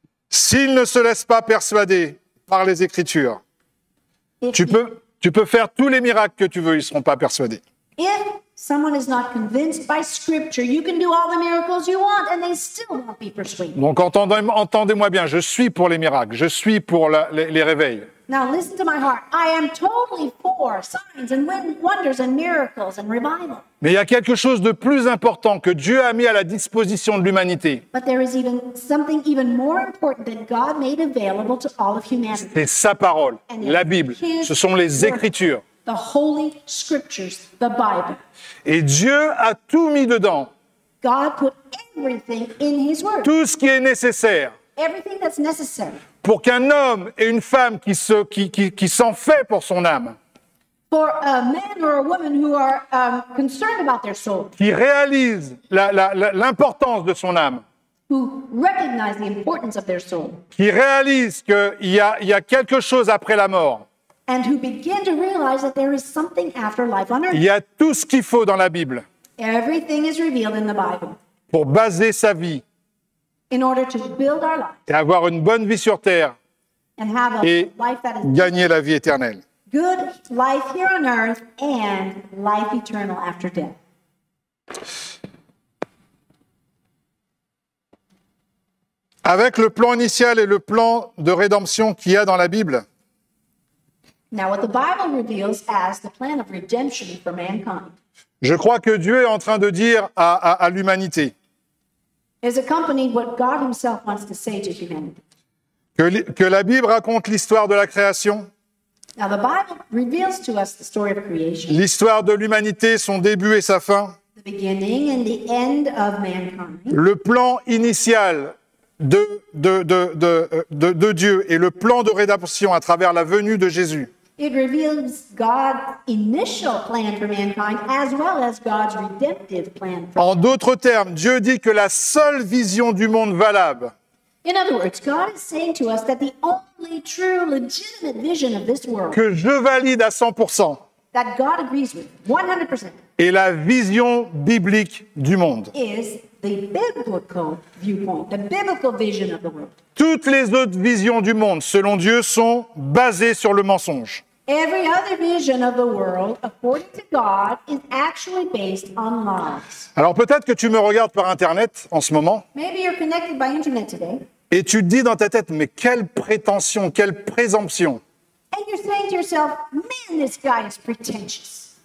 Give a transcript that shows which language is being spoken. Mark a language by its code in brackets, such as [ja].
[fr] S'ils ne se laissent pas persuader par les Écritures, tu peux faire tous les miracles que tu veux, ils ne seront pas persuadés. [en] If someone is not convinced by Scripture, you can do all the miracles you want, and they still won't be persuaded. [fr] Donc entendez-moi bien, je suis pour les miracles, je suis pour les réveils. [en] Now listen to my heart. I am totally for signs and wonders and miracles and revival. [fr] Mais il y a quelque chose de plus important que Dieu a mis à la disposition de l'humanité. [en] But there is even something even more important that God made available to all of humanity. [fr] C'est sa parole, la Bible. Ce sont les Écritures. [en] The Holy Scriptures, the Bible. [fr] Et Dieu a tout mis dedans. [en] God put everything in His Word. [fr] Tout ce qui est nécessaire. [en] Everything that's necessary. [fr] Pour qu'un homme et une femme qui s'en fait pour son âme. [en] For a man or a woman who are concerned about their soul. [fr] Qui réalise l'importance de son âme. [en] Who recognize the importance of their soul. [fr] Qui réalise qu'il y a quelque chose après la mort. [en] And who begin to realize that there is something after life on earth. [fr] Il y a tout ce qu'il faut dans la Bible. [en] Everything is revealed in the Bible. [fr] Pour baser sa vie. [en] In order to build our life. [fr] Et avoir une bonne vie sur terre. [en] And have a [fr] et [en] life that is [fr] gagner la vie éternelle. [en] Good life here on earth and life eternal after death. [fr] Avec le plan initial et le plan de rédemption qu'il y a dans la Bible. [en] Now, what the Bible reveals as the plan of redemption for mankind. [fr] Je crois que Dieu est en train de dire à l'humanité. [en] Is accompanied what God Himself wants to say to humanity. [fr] Que la Bible raconte l'histoire de la création. [en] Now, the Bible reveals to us the story of creation. [fr] L'histoire de l'humanité, son début et sa fin. [en] The beginning and the end of mankind. [fr] Le plan initial. De Dieu et le plan de rédemption à travers la venue de Jésus. [en] It reveals God's initial plan for mankind as well as God's redemptive plan for [fr] En d'autres termes, Dieu dit que la seule vision du monde valable. [en] In other words, God is saying to us that the only true legitimate vision of this world. [fr] Que je valide à 100%. [en] That God agrees with 100%. [fr] Et la vision biblique du monde. [en] Is the biblical viewpoint, the biblical vision of the world. [fr] Toutes les autres visions du monde, selon Dieu, sont basées sur le mensonge. [en] Every other vision of the world, according to God, is actually based on lies. [fr] Alors peut-être que tu me regardes par Internet en ce moment. [en] Maybe you're connected by Internet today. [fr] Et tu te dis dans ta tête, mais quelle prétention, quelle présomption. [en] And you're saying to yourself, man, this guy is pretentious.